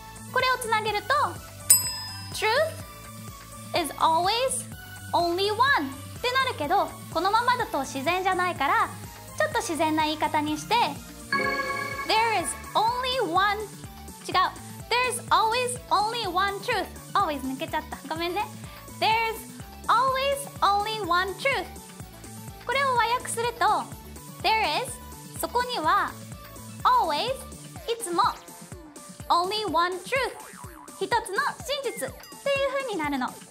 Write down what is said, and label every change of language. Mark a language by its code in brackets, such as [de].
[ja] これをつなげると [en] Truth is always only one [ja] ってなるけど、このままだと自然じゃないから、ちょっと自然な言い方にして [en] There is only one、 [ja] 違う、 [en] There is always only one truth。 [ja] Always 抜けちゃった、ごめんね。 [en] There is always only one truth。 [ja] これを和訳すると、There is、 そこには Always、 いつも [en] Only one truth、 [ja] 一つの真実っていう風になるの。